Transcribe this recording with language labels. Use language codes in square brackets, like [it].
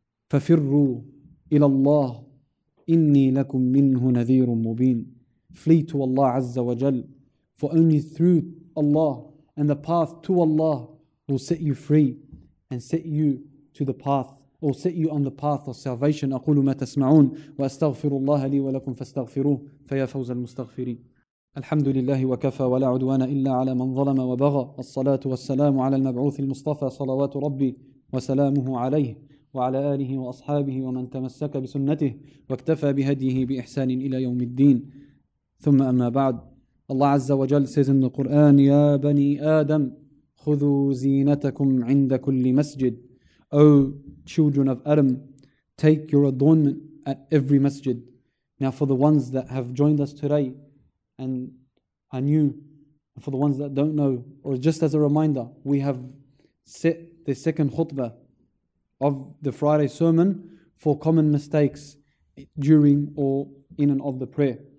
[ar] فَفِرُّوا إِلَى اللَّهِ إِنِّي لَكُم مِّنْهُ نَذِيرٌ مُّبِينٌ. [en] Flee to Allah Azza wa Jal. For only through Allah and the path to Allah will set you free and set you to the path or set you on the path of salvation. [ar] أَقُولُ مَا تَسْمَعُونَ وَأَسْتَغْفِرُ اللَّهَ لِي وَلَكُمْ فَاسْتَغْفِرُوهُ فَيَا فَوْزَ الْمُسْتَغْفِرِينَ. الحمد لله وكفى ولا عدوان إلا على من ظلم وبغى. الصلاة والسلام على المبعوث المصطفى صلوات ربي وسلامه عليه وعلى آله وأصحابه ومن تمسك بسنته واكتفى بهديه بإحسان إلى يوم الدين. ثم أما بعد, الله عز وجل [en] says in the Quran, [ar] يا بني آدم خذوا زينتكم عند كل مسجد. [en] O children of Adam, take your adornment at every masjid. Now for the ones that have joined us today and are new, for the ones that don't know, or just as a reminder, we have set the the second khutbah of the Friday sermon for common mistakes during or in and of the prayer.